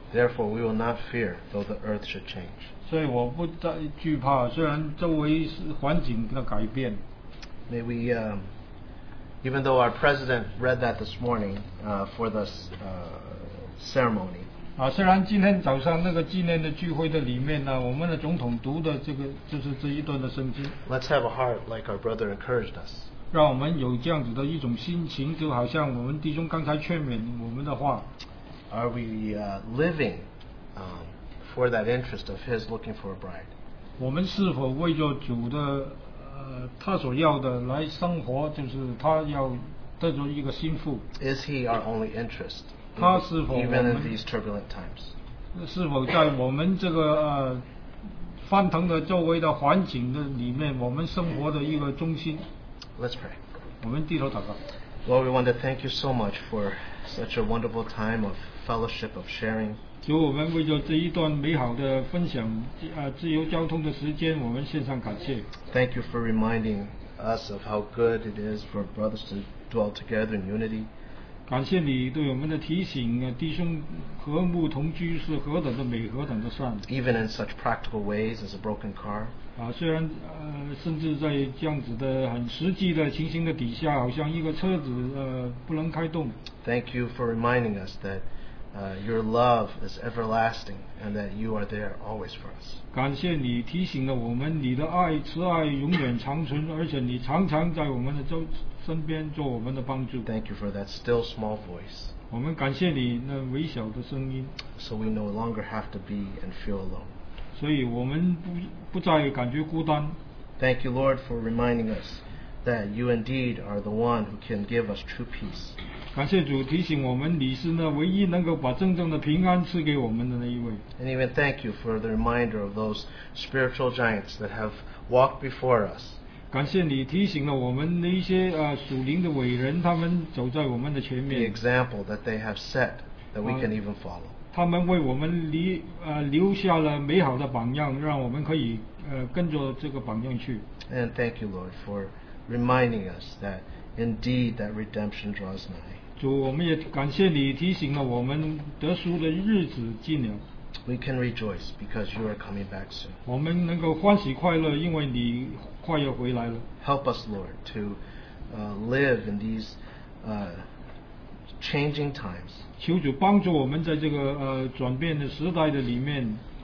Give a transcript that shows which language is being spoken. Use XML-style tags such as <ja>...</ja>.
<en>Therefore, we will not fear though the earth should change.</en> <zh>所以我不再惧怕，虽然周围环境的改变。</zh> <en>May we, even though our president read that this morning for the ceremony.</en> <zh>虽然今天早上那个纪念的聚会的里面呢，我们的总统读的这个就是这一段的圣经。</zh> <en>Let's have a heart like our brother encouraged us.</en> <zh>让我们有这样子的一种心情，就好像我们弟兄刚才劝勉我们的话。</zh> <en>Are we living for that interest of his looking for a bride?</en> <zh>我们是否为着主的他所要的来生活，就是他要得着一个心腹。</zh> <en>Is he our only interest?</en> <zh>他是否我们</zh> <en>even in these turbulent times?</en> <zh>是否在我们这个翻腾的周围的环境的里面，我们生活的一个中心？</zh> <en>Let's pray.</en> <zh>我们低头祷告。</zh> <en>Lord, we want to thank you so much for such a wonderful time of fellowship, of sharing.</en> <zh>主，我们为着这一段美好的分享，自由交通的时间，我们献上感谢。</zh> <en>Thank you for reminding us of how good it is for brothers to dwell together in unity.</en> <zh>感谢你对我们的提醒，弟兄和睦同居是何等的美，何等的善。</zh> <en>Even in such practical ways as a broken car.</en> <zh>虽然甚至在这样子的很实际的情形的底下，好像一个车子不能开动。</zh> <en>Thank you for reminding us that your love is everlasting and that you are there always for us.</en> <zh>感谢你提醒了我们，你的爱慈爱永远长存，而且你常常在我们的周身边做我们的帮助。</zh> <en>Thank you for that still small voice.</en> <zh>我们感谢你那微小的声音。</zh> <en>So we no longer have to be and feel alone.</en> <zh>所以我们不再感觉孤单。</zh> <en>Thank you, Lord, for reminding us that you indeed are the one who can give us true peace.</en> <zh>感谢主提醒我们，你是那唯一能够把真正的平安赐给我们的那一位。</zh> <en>And even thank you for the reminder of those spiritual giants that have walked before us.</en> <zh>感谢你提醒了我们那些属灵的伟人，他们走在我们的前面。</zh> <en>The example that they have set that we can even follow.</en> <zh>他们为我们留下了美好的榜样，让我们可以跟着这个榜样去。</zh> <en>And thank you, Lord, for reminding us that indeed that redemption draws nigh.</en> <zh>主，我们也感谢你提醒了我们得赎的日子近了。</zh> <en>We can rejoice because you are coming back soon.</en> <zh>我们能够欢喜快乐，因为你快要回来了。</zh> <en>Help us, Lord, to live in these changing times.</en> <zh>求主帮助我们在这个, 转变的时代的里面,</zh>